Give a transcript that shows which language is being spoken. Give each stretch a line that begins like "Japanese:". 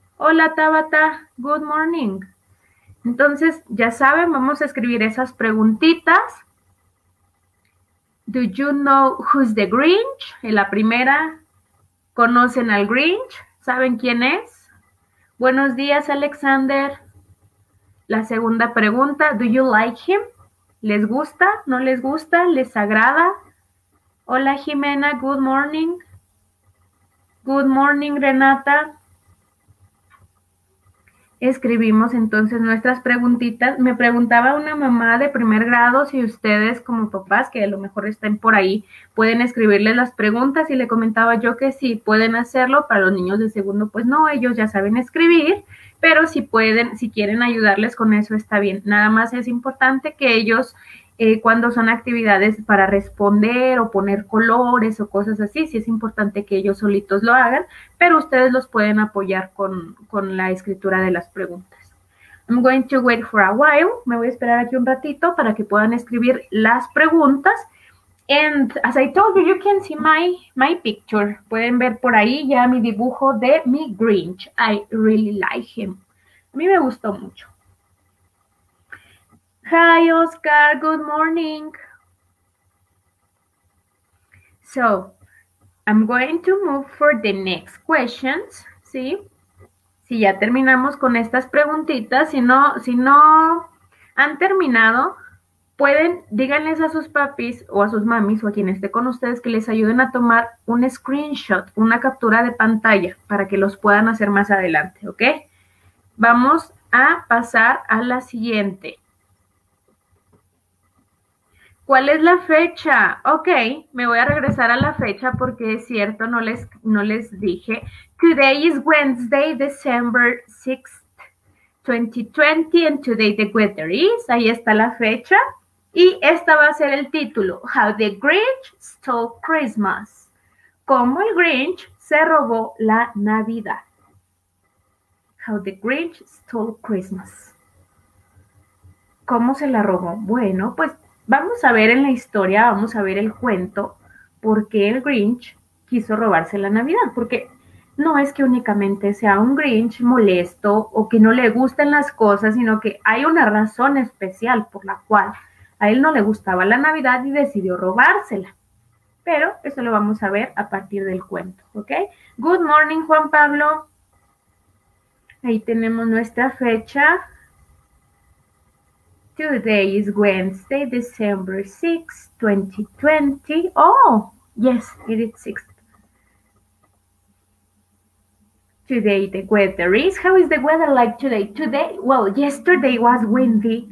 Spanish: Hola, Tabata,
English: good morning.
Spanish: Entonces, ya saben, vamos a escribir esas preguntitas.
English: Do you know who's the Grinch?
Spanish: En la primera, ¿conocen al Grinch? ¿Saben quién es? Buenos días, Alexander. La segunda pregunta,
English: ¿do you like him?
Spanish: ¿Les gusta? ¿No les gusta? ¿Les agrada? Hola,
English: Jimena, good morning. Good morning, Renata.
Spanish: Escribimos entonces nuestras preguntitas. Me preguntaba una mamá de primer grado si ustedes como papás, que a lo mejor estén por ahí, pueden escribirles las preguntas y le comentaba yo que sí, pueden hacerlo. Para los niños de segundo, pues no, ellos ya saben escribir, pero si pueden, si quieren ayudarles con eso, está bien. Nada más es importante que ellos, cuando son actividades para responder o poner colores o cosas así, sí es importante que ellos solitos lo hagan, pero ustedes los pueden apoyar con la escritura de las preguntas.
English: I'm going to wait for a while.
Spanish: Me voy a esperar aquí un ratito para que puedan escribir las preguntas.
English: And as I told you, you can see my picture.
Spanish: Pueden ver por ahí ya mi dibujo de mi Grinch.
English: I really like him.
Spanish: A mí me gustó mucho.
English: Hi, Oscar. Good morning. So, I'm going to move for the next questions.
Spanish: ¿Sí? Si ya terminamos con estas preguntitas, si no han terminado, pueden díganles a sus papis o a sus mamis o a quien esté con ustedes que les ayuden a tomar un screenshot, una captura de pantalla para que los puedan hacer más adelante. ¿Ok? Vamos a pasar a la siguiente. ¿Cuál es la fecha? Ok, me voy a regresar a la fecha porque es cierto, no les dije.
English: Today is Wednesday, December 6th, 2020, and today the weather is.
Spanish: Ahí está la fecha. Y esta va a ser el título: How the Grinch Stole Christmas. ¿Cómo el Grinch se robó la Navidad? How the Grinch Stole Christmas. ¿Cómo se la robó? Bueno, pues. Vamos a ver en la historia, vamos a ver el cuento, por qué el Grinch quiso robarse la Navidad. Porque no es que únicamente sea un Grinch molesto o que no le gusten las cosas, sino que hay una razón especial por la cual a él no le gustaba la Navidad y decidió robársela. Pero eso lo vamos a ver a partir del cuento, ¿ok?
English: Good morning,
Spanish: Juan Pablo. Ahí tenemos nuestra fecha.
English: Today is Wednesday, December 6th, 2020. Oh, yes, it is 6th. Today the weather is. How is the weather like today? Today, well, yesterday was windy.